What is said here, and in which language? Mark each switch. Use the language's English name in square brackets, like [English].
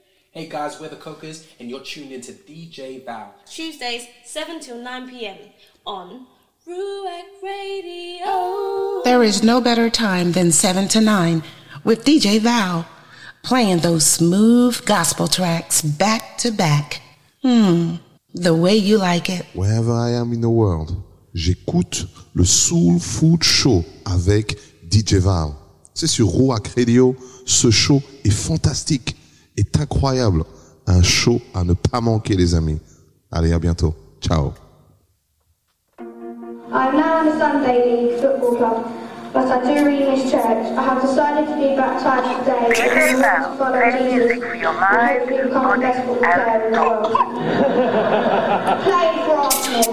[English] Hey guys, we're the Cokers, and you're tuned into DJ Val. Tuesdays, 7 till 9 p.m. on Rueck Radio. There is no better time than 7 to 9 with DJ Val. Playing those smooth gospel tracks back to back. The way you like it. Wherever I am in the world, [French] j'écoute le Soul Food Show avec DJ Val. C'est sur Rueck Radio. Ce show est fantastique, est incroyable. Un show à ne pas manquer, les amis. Allez, à bientôt. Ciao. [English] I'm now in the Sunday League Football Club, but I do really miss church. I have decided to be baptized today. DJ Bell, ready music for your mind, body, and soul.